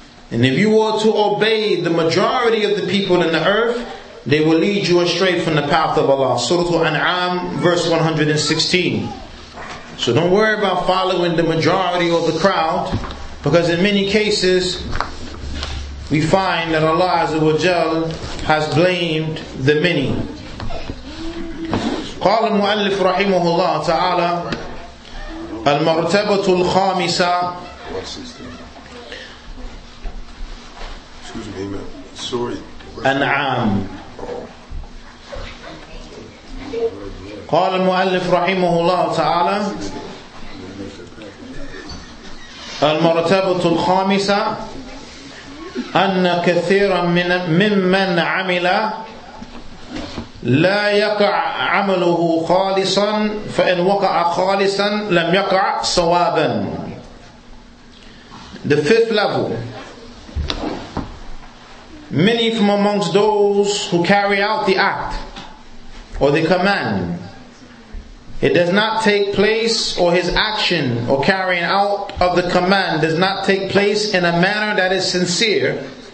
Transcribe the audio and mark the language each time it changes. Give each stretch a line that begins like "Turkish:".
English: And if you were to obey the majority of the people in the earth, they will lead you astray from the path of Allah. Surah Al-An'am, verse 116. So don't worry about following the majority or the crowd, because in many cases we find that Allah Azza wa Jal has blamed the many.
Arabic: قال المؤلف رحمه الله تعالى المرتبة الخامسة. أنعام. قال المؤلف رحمه الله تعالى المرتبة الخامسة أن كثيرا ممن عمل لا يقع عمله خالصا فإن وقع خالصا لم يقع صوابا.
English: The fifth level. Many from amongst those who carry out the act or the command, it does not take place, or his action or carrying out of the command does not take place in a manner that is sincere.